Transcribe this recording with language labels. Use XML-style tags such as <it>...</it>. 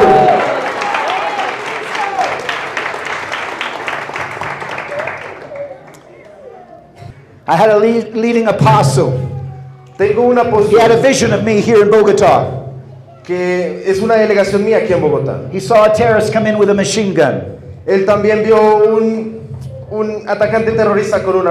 <en>Hallelujah! I had a leading apostle.</en> <es>Tengo un apóstol.</es> <en>He had a vision of me here in Bogotá.</en> <es>Que es una delegación mía aquí en Bogotá.</es> <en>He saw a terrorist come in with a machine gun.</en> <es>Él también vio un atacante terrorista con una</es>